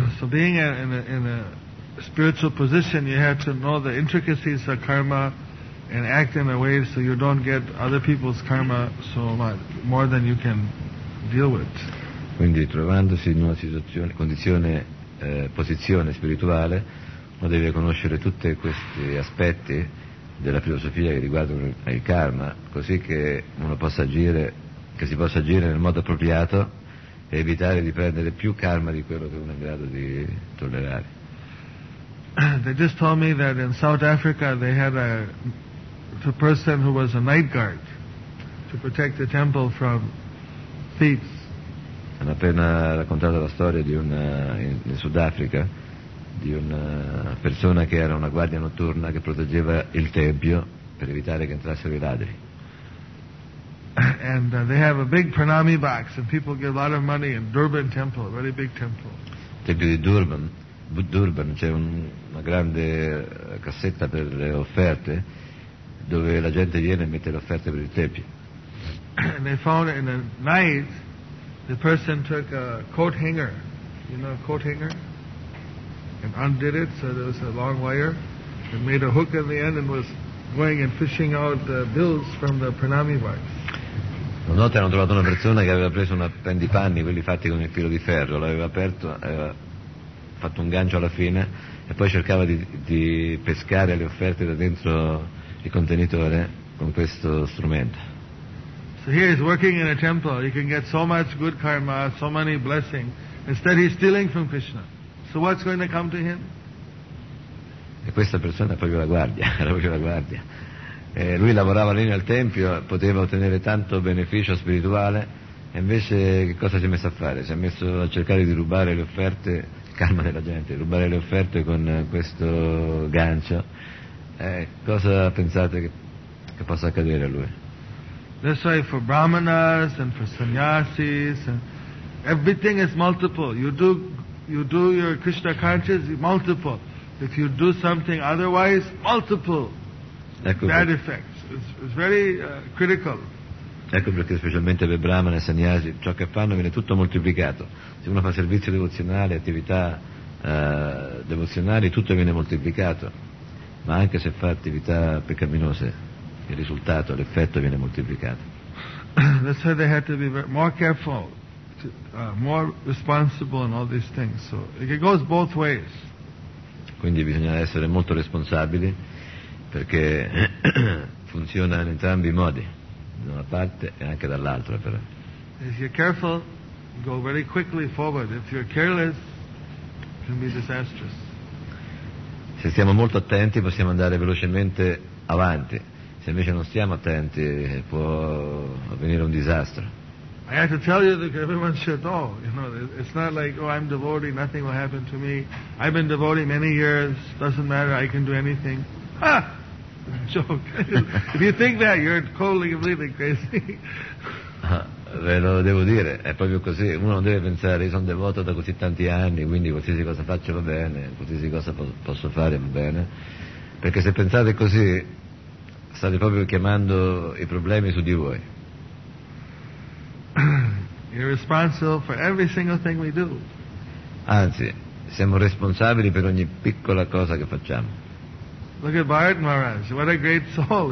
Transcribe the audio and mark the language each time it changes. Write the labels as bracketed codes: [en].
[en] So being in a spiritual position, you have to know the intricacies of karma and act in a way so you don't get other people's karma so much, more than you can deal with. [it] Quindi trovandosi in una situazione, condizione, posizione spirituale, uno deve conoscere tutti questi aspetti della filosofia che riguardano il karma, così che uno possa agire, che si possa agire nel modo appropriato e evitare di prendere più karma di quello che uno è in grado di tollerare. [en] They just told me that in South Africa they had a person who was a night guard to protect the temple from thieves. [it] Hanno appena raccontato la storia di una in Sudafrica di una persona che era una guardia notturna che proteggeva il tempio per evitare che entrassero i ladri. And they have a big pranami box and people give a lot of money in Durban temple, a very big temple. Tempio di Durban. Durban c'è una grande cassetta per le offerte dove la gente viene e mette le offerte per il tempio. [en] And they found in the night the person took a coat hanger, you know, a coat hanger, and undid it so there was a long wire and made a hook in the end and was going and fishing out the bills from the pranami box. [it] Una notte hanno trovato una persona che aveva preso un appendipanni, quelli fatti con il filo di ferro, l'aveva aperto, aveva fatto un gancio alla fine, e poi cercava di pescare le offerte da dentro il contenitore con questo strumento. [en] So here he's working in a temple, you can get so much good karma, so many blessings, instead he's stealing from Krishna. So what's going to come to him? [it] E questa persona è proprio la guardia, era proprio la guardia. Lui lavorava lì nel tempio, poteva ottenere tanto beneficio spirituale, e invece che cosa si è messo a fare? Si è messo a cercare di rubare le offerte, calma della gente, rubare le offerte con questo gancio. Cosa pensate che possa accadere a lui? [en] That's why for brahmanas and for sannyasis, and everything is multiple. You do your Krishna consciousness, multiple. If you do something otherwise, multiple. [it] Ecco [en] bad [it] perché. [en] Effects. It's very critical. [it] Ecco perché specialmente per brahmana e sannyasi ciò che fanno viene tutto moltiplicato. Se uno fa servizio devozionale, attività devozionali, tutto viene moltiplicato. Ma anche se fa attività peccaminose, il risultato, l'effetto viene moltiplicato. [en] That's why they had to be more careful, more responsible in all these things. So it goes both ways. [it] Quindi bisogna essere molto responsabili, perché funziona in entrambi i modi, da una parte e anche dall'altra. Però [en] if you're careful, go very quickly forward. If you're careless, it can be disastrous. [it] Se stiamo molto attenti possiamo andare velocemente avanti, se invece non stiamo attenti può avvenire un disastro. [en] I have to tell you that everyone should know, you know, it's not like, oh, I'm devotee, nothing will happen to me, I've been devotee many years, doesn't matter, I can do anything. Joke. If you think that, you're totally completely crazy. [it] Ve lo devo dire, è proprio così. Uno non deve pensare, io sono devoto da così tanti anni, quindi qualsiasi cosa faccio va bene, qualsiasi cosa posso fare va bene. Perché se pensate così, state proprio chiamando i problemi su di voi. [en] You're responsible for every single thing we do. [it] Anzi, siamo responsabili per ogni piccola cosa che facciamo. [en] Look at Bharat Maharaj, what a great soul.